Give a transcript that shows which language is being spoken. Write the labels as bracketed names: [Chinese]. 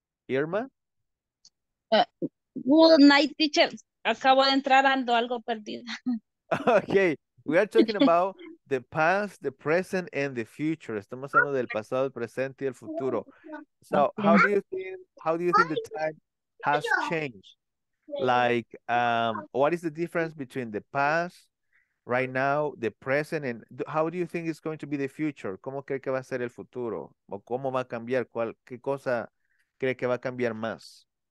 [English] Irma? [Spanish] Good night, teacher. Acabo de entrar, ando algo perdida. [English] Okay, we are talking about the past, the present, and the future. [Spanish] Estamos hablando del pasado, el presente, y el futuro. [English] So, how do you think the time has changed? Like, what is the difference between the past, right now, the present, and how do you think it's going to be the future? [Spanish] ¿Cómo cree que va a ser el futuro? ¿O cómo va a cambiar? ¿Cuál, qué cosa cree que va a cambiar más?